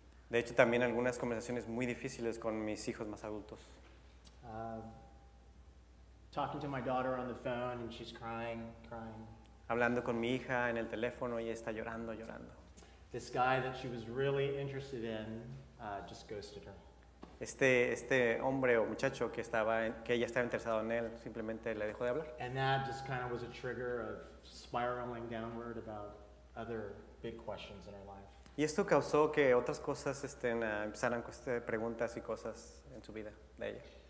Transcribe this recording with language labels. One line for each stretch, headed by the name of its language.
Spanish: De hecho, también algunas conversaciones muy difíciles con mis hijos más adultos.
English: Talking to my daughter on the phone and she's crying.
Spanish: Hablando con mi hija en el teléfono y está llorando.
English: This guy that she was really interested in just ghosted her.
Spanish: Este hombre o muchacho que ella estaba interesado en él simplemente le dejó de hablar.
English: And that just kind of was a trigger of spiraling downward about other big questions in her life.
Spanish: Y esto causó que otras cosas empezaran con preguntas y cosas en su vida de ella.